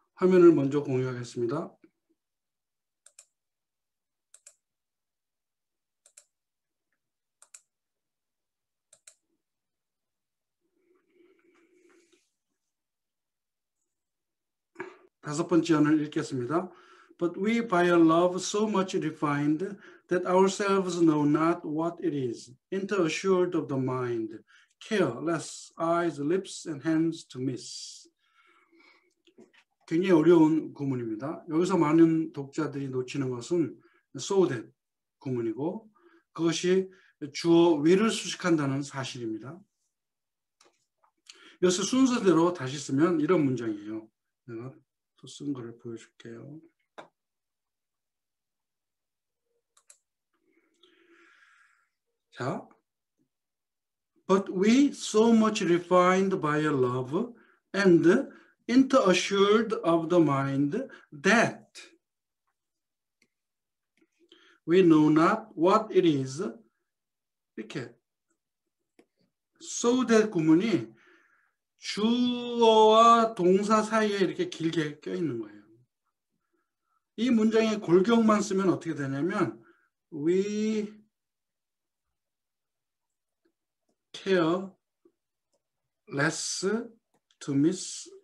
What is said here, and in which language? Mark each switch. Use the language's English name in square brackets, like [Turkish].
[Korean] 화면을 먼저 공유하겠습니다. 다섯 번째 연을 읽겠습니다. [English] But we by a love so much refined that ourselves know not what it is, interassured of the mind, careless eyes, lips, and hands to miss. [Korean] 굉장히 어려운 구문입니다. 여기서 많은 독자들이 놓치는 것은 so that 구문이고 그것이 주어 will을 수식한다는 사실입니다. 이것을 순서대로 다시 쓰면 이런 문장이에요. 내가 또 쓴 거를 보여줄게요. [English] But we so much refined by a love and interassured of the mind that we know not what it is. [Korean] 이렇게 so that 구문이 주어와 동사 사이에 이렇게 길게 껴 있는 거예요. 이 문장의 골격만 쓰면 어떻게 되냐면 we care less to miss.